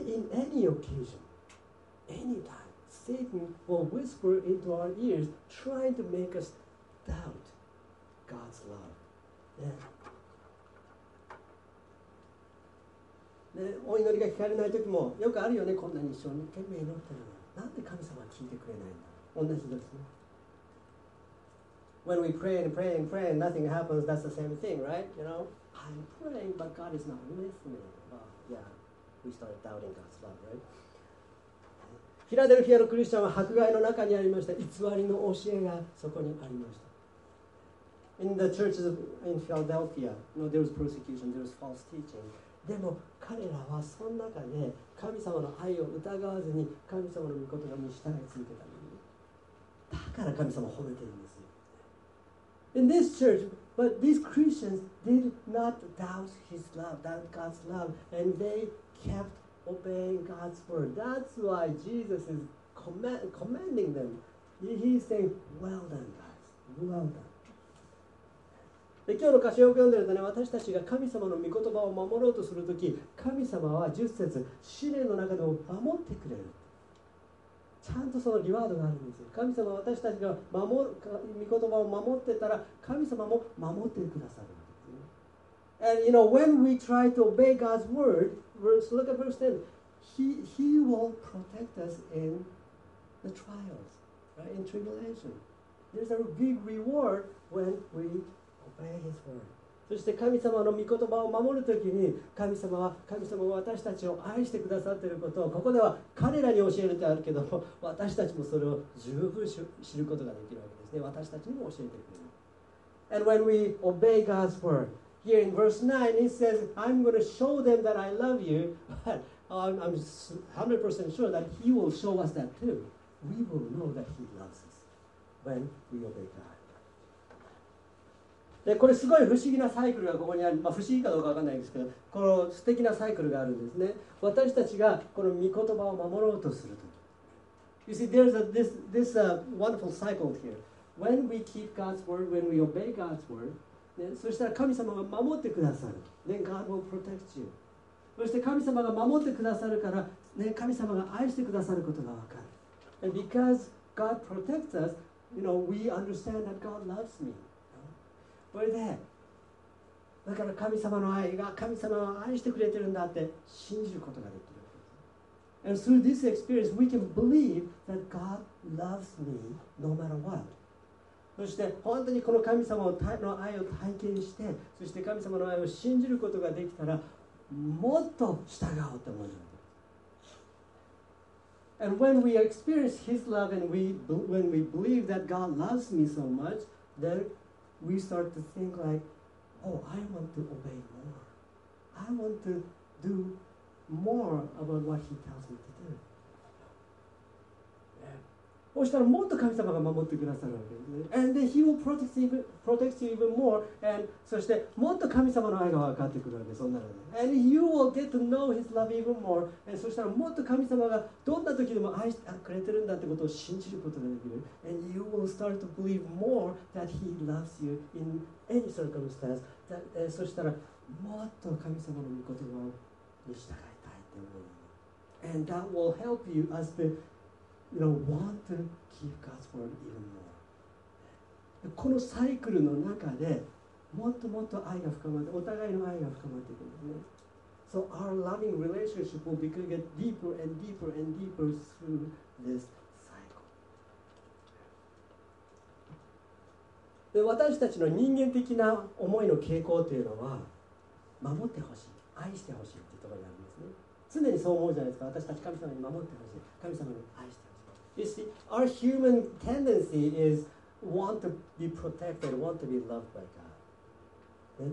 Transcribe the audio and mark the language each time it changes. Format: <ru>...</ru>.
<en>So, in any occasion, anytime, Satan will whisper into our ears, trying to make us doubt God's love.</en> <ja>ね、お祈りが聞かれないときもよくあるよね。こんなに一生懸命祈ってるのなんで神様は聞いてくれないんだ。同じですね。</ja> <en>When we pray and pray and pray and nothing happens, that's the same thing, right? You know, I'm praying, but God is not listening. Yeah, we started doubting God's love, right?</en> <ja>フィラデルフィアのクリスチャンは迫害の中にありました。偽りの教えがそこにありました。</ja> <en>In the churches in Philadelphia, you know, there was persecution, there was false teaching.</en> <ja>でも彼らはその中で神様の愛を疑わずに神様の御言葉に従い続けたのに、だから神様を褒めているんですよ。</ja> <en>In this church, but these Christians did not doubt His love, doubt God's love, and they kept obeying God's word. That's why Jesus is commending them. He's saying, "Well done, guys. Well done."</en> <ja>で今日の箇所を読んでるとね、私たちが神様の御言葉を守ろうとするとき、神様は十節試練の中でも守ってくれる。ちゃんとそのリワードがあるんですよ。神様は私たちが守る御言葉を守ってたら、神様も守ってくださるんです、ね。</ja> <en>And you know when we try to obey God's word, verse look at verse 10, He will protect us in the trials, right? In tribulation. There's a big reward when we His word.</en> <ja>そして神様の御言葉を守るときに神様は私たちを愛してくださっていることをここでは彼らに教えるとあるけども、私たちもそれを十分知ることができるわけですね。私たちにも教えてくれる。</ja> <en>And when we obey God's word, here in verse 9 it says, I'm going to show them that I love you, but I'm 100% sure that he will show us that too. We will know that he loves us when we obey God.</en> <ja>でこれすごい不思議なサイクルがここにある、まあ、不思議かどうかわかんないですけど、この素敵なサイクルがあるんですね。私たちがこの御言葉を守ろうとすると。</ja> <en>You see, there's a, this wonderful cycle here. When we keep God's word, when we obey God's word,、</en> <ja>ね、そしたら神様が守ってくださる。</ja> <en>Then God will protect you.</en> <ja>そして神様が守ってくださるから、ね、神様が愛してくださることがわかる。</ja> <en>And because God protects us, you know, we understand that God loves me.</en> <ja>これでだから神様の愛が神様を愛してくれてるんだって信じることができる。</ja> <en>And through this experience, we can believe that God loves me no matter what.</en> <ja>そして本当にこの神様の愛を体験して、そして神様の愛を信じることができたら、もっと従おうと思う。</ja> <en>And when we experience His love and when we believe that God loves me so much, then we start to think like, oh, I want to obey more. I want to do more about what he tells me to do.</en> <ja>そしたらもっと神様が守ってくださるわけですね。</ja> <en>And then he will protect you even more. And</en> <ja>そしてもっと神様の愛が分かってくるわけです。そんなので。</ja> <en>And you will get to know his love even more.</en> <ja>And そしたらもっと神様がどんな時でも愛してくれてるんだってことを信じることができる。</ja> <en>And you will start to believe more that he loves you in any circumstance.</en> <ja>そしたらもっと神様の御言葉に従いたいって思う。</ja> <en>And that will help you as theYou know, want to keep God's word even more.</en> <ja>このサイクルの中でもっともっと愛が深まって、お互いの愛が深まっていくんですね。</ja> <en>So our loving relationship will become deeper and deeper and deeper through this cycle.</en> <ja>で私たちの人間的な思いの傾向というのは、守ってほしい、愛してほしいというところにあるんですね。常にそう思うじゃないですか。私たち神様に守ってほしい、神様に愛してほしい。</ja> <en>You see, our human tendency is want to be protected, want to be loved by God.</en>